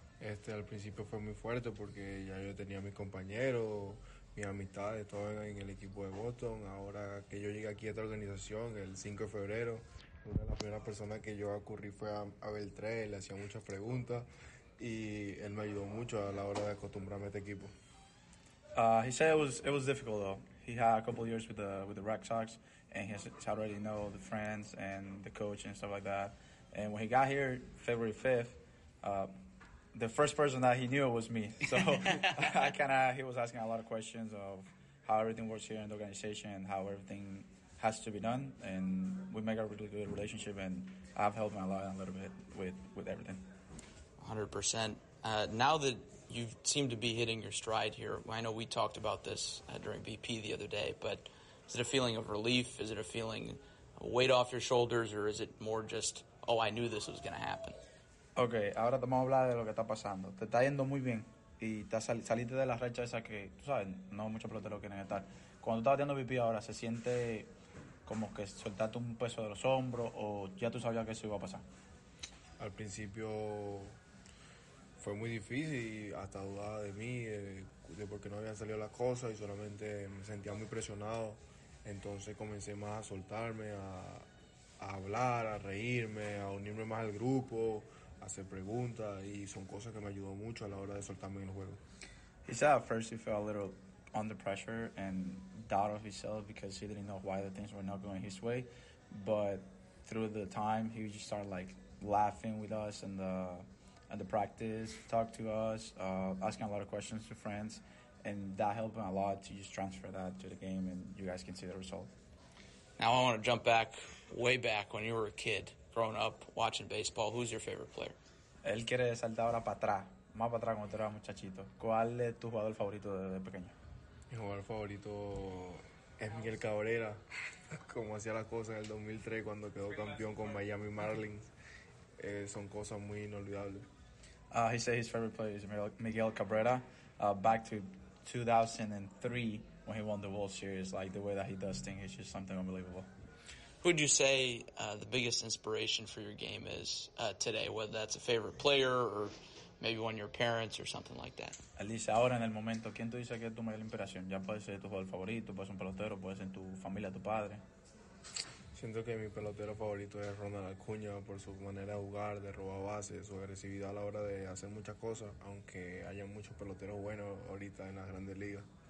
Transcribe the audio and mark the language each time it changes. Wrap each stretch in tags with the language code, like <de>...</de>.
<es>Al principio fue muy fuerte porque ya yo tenía a mis compañeros, mis amistades, todos en el equipo de Boston. Ahora que yo llegué aquí a esta organización el 5 de febrero, una de las primeras personas que yo acudí fue a Beltré. Le hacía muchas preguntas y él me ayudó mucho a la hora de acostumbrarme a este equipo.</es> <en>He said it was difficult though. He had a couple of years with the Red Sox, and he's already know the friends and the coach and stuff like that. And when he got here February 5th, the first person that he knew was me. So he was asking a lot of questions of how everything works here in the organization, and how everything has to be done. And we make a really good relationship, and I've helped him a lot, a little bit with everything. 100%. Now that you seem to be hitting your stride here, I know we talked about this during BP the other day, but is it a feeling of relief? Is it a feeling a weight off your shoulders? Or is it more just, oh, I knew this was going to happen?</en> <es>Okay, ahora te vamos a hablar de lo que está pasando. Te está yendo muy bien y te saliste de la racha esa que, tú sabes, no muchos peloteros quieren estar. Cuando tú estás teniendo BP ahora, ¿se siente como que soltaste un peso de los hombros o ya tú sabías que eso iba a pasar? Al principio fue muy difícil, hasta dudaba de mí, de por qué no habían salido las cosas, y solamente me sentía muy presionado. Entonces comencé más a soltarme, a hablar, a reírme, a unirme más al grupo, a hacer preguntas, y son cosas que me ayudó mucho a la hora de soltarme en el juego.</es> <en>He said at first he felt a little under pressure and doubt of himself because he didn't know why the things were not going his way. But through the time, he just started like laughing with us and the practice, talk to us, asking a lot of questions to friends, and that helped him a lot to just transfer that to the game, and you guys can see the result. Now I want to jump back, way back when you were a kid, growing up, watching baseball. Who's your favorite player?</en> <es>Él quiere saltar ahora para atrás, más para atrás cuando tú eras muchachito. ¿Cuál es tu jugador favorito desde pequeño? Mi jugador favorito es Miguel Cabrera, como hacía las cosas en el 2003 cuando quedó campeón con Miami Marlins. Son cosas muy inolvidables.</es> <en>He said his favorite player is Miguel Cabrera. Back to 2003 when he won the World Series, like the way that he does things is just something unbelievable. Who would you say the biggest inspiration for your game is today? Whether that's a favorite player or maybe one of your parents or something like that.</en> <es>Alicia, ahora en el momento, ¿quién tú dices que es tu mayor inspiración? Ya puede ser tu jugador favorito, puede ser un pelotero, puede ser tu familia, tu padre. Siento que mi pelotero favorito es Ronald Acuña por su manera de jugar, de robar bases, su agresividad a la hora de hacer muchas cosas, aunque haya muchos peloteros buenos ahorita en las grandes ligas.</es>